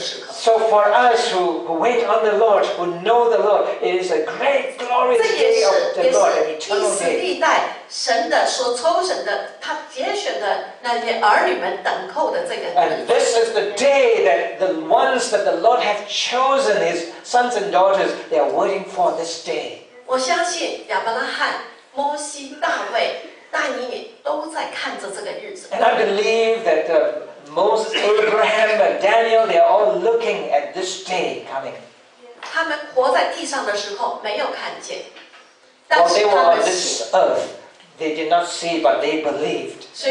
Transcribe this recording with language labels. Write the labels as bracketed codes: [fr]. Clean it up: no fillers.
[en] So for us who wait on the Lord, who know the Lord, it is a great glorious day of the Lord, an eternal day. And this is the day that the ones that the Lord has chosen, his sons and daughters, they are waiting for this day. [zh] 我相信亚伯拉罕、摩西、大卫、但以理都在看着这个日子。 [en] And I believe that Moses, Abraham, and Daniel, they are all looking at this day coming. [zh] 他们活在地上的时候没有看见。 [en] While they were on this earth, they did not see, but they believed.